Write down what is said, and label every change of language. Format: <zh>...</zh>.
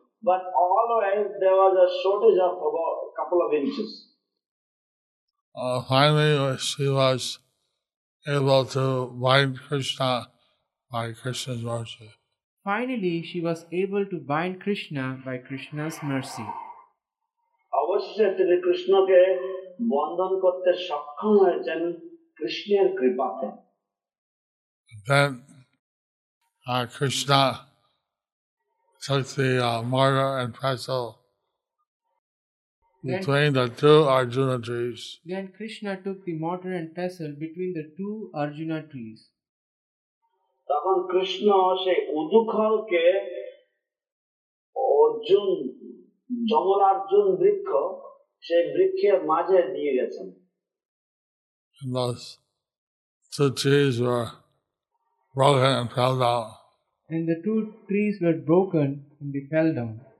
<en>But always there was a shortage of about a couple of inches. Finally, she was able to bind Krishna by Krishna's mercy. Finally, she was able to bind Krishna by Krishna's mercy.</en> <bn>অবশেষে তিনি কৃষ্ণকে বন্ধন করতে সক্ষম হয়েছেন কৃষ্ণের কৃপাতে.</bn> <en>Then, Krishna took the mortar and pestle between the two Arjuna trees. Then Krishna took the mortar and pestle between the two Arjuna trees.</en> <bn>তখন কৃষ্ণ সেই উদুখলকে অর্জুন যমল অর্জুন বৃক্ষ সেই বৃক্ষের মাঝে দিয়ে গেছেন.</bn> <en>Those two trees were broken and fell down. And the two trees were broken and they fell down.</en>